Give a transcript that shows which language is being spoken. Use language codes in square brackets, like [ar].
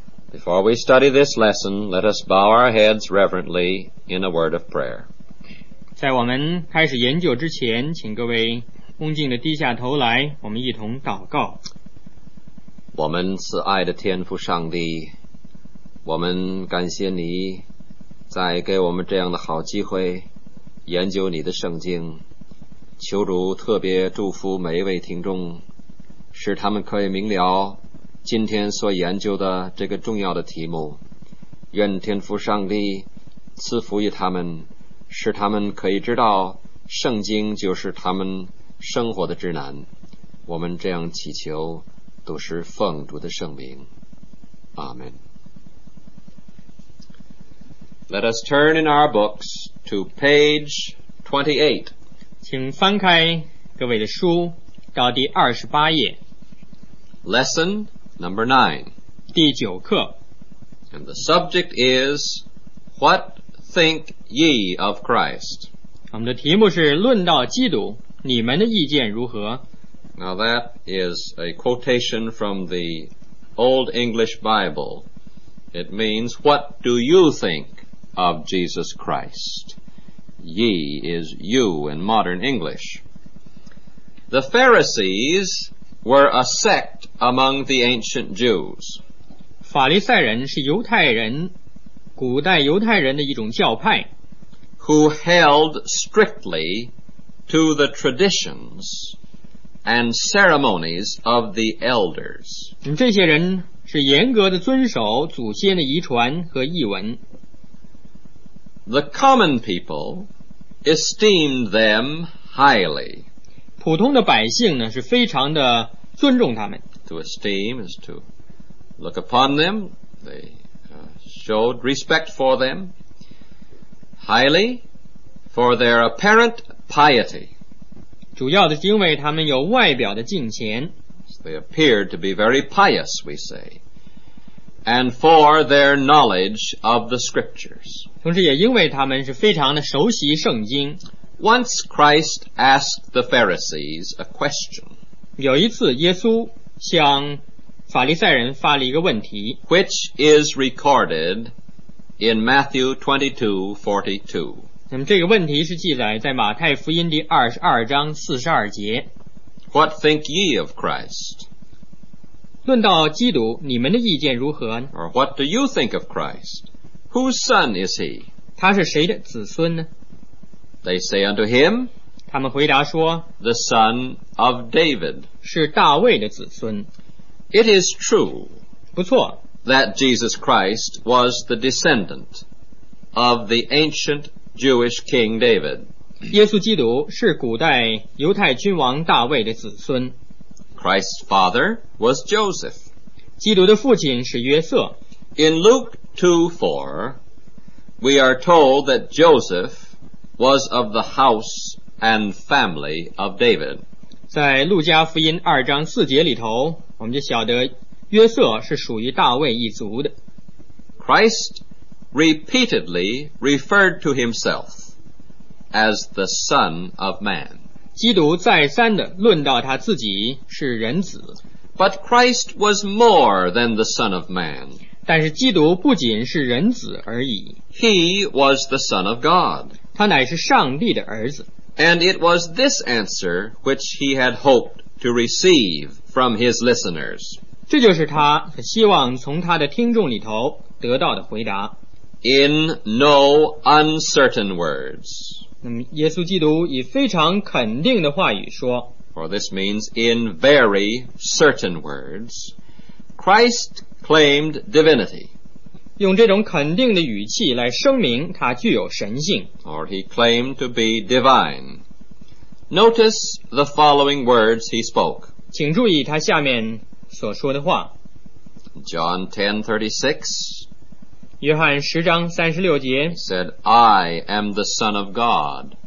[en] Before we study this lesson, let us bow our heads reverently in a word of prayer. [zh] 在我们开始研究之前，请各位恭敬地低下头来，我们一同祷告。我们慈爱的天父上帝，我们感谢你再给我们这样的好机会研究你的圣经，求主特别祝福每一位听众，使他们可以明了今天所研究的这个重要的题目。愿天父上帝赐福于他们，使他们可以知道圣经就是他们生活的指南。我们这样祈求都是奉主的圣名，阿们。 [en] Let us turn in our books to page 28. [zh] 请翻开各位的书到第28页。 [en] Lesson number 9. [zh] 第九课。 [en] And the subject is What think ye of Christ? [zh] 我们的题目是论到基督，你们的意见如何？ [en] Now that is a quotation from the Old English Bible. It means, what do you think of Jesus Christ? Ye is you in modern English. The Pharisees were a sect among the ancient Jews. [zh] 法利赛人是犹太人古代犹太人的一种教派， [en] who held strictly to the traditions and ceremonies of the elders. [zh] 这些人是严格的遵守祖先的遗传和译文。 [en] The common people esteemed them highly. [zh] 普通的百姓呢，是非常的尊重他们。 [en] To esteem is to look upon them, they showed respect for them highly for their apparent piety. [zh] 主要的是因为他们有外表的敬虔。 [en] They appeared to be very pious, we say, and for their knowledge of the scriptures. [zh] 同时也因为他们是非常的熟悉圣经。 [en] Once Christ asked the Pharisees a question. [zh] 有一次耶稣向法利赛人发了一个问题， [en] Which is recorded in Matthew 22:42. [zh] 那么这个问题是记载在马太福音第22章42节。 [en] What think ye of Christ? [zh] 论到基督，你们的意见如何？ [en] Or what do you think of Christ? Whose son is he? [zh] 他是谁的子孙呢？ [en] They say unto him, [zh] 他们回答说， [en] The son of David. [zh] 是大卫的子孙。 [en] It is true, [zh] 不错, [en] that Jesus Christ was the descendant of the ancient Jewish king David. [zh] 耶稣基督是古代犹太君王大卫的子孙。 [en] Christ's father was Joseph. [zh] 基督的父亲是约瑟。 [en] In Luke 2:4, we are told that Joseph was of the house and family of David. [zh] 在路加福音二章四节里头，我们就晓得约瑟是属于大卫一族的。 [en] Christ repeatedly referred to himself as the son of man. [zh] 基督再三地论到他自己是人子。 [en] But Christ was more than the son of man. [zh] 但是基督不仅是人子而已。 [en] He was the son of God. [zh] 他乃是上帝的儿子。 [en] And it was this answer which he had hoped to receive from his listeners. [zh] 这就是他希望从他的听众里头得到的回答。 [en] In no uncertain words. [zh] 那么耶稣基督以非常肯定的话语说， [en] For this means in very certain words, Christ claimed divinity. [zh] 用这种肯定的语气来声明他具有神性。 [en] Or he claimed to be divine. Notice the following words he spoke. [zh] 请注意他下面所说的话。 [en] John 10:36. [zh] 约翰十章三十六节。 [en] He said, I am the Son of God.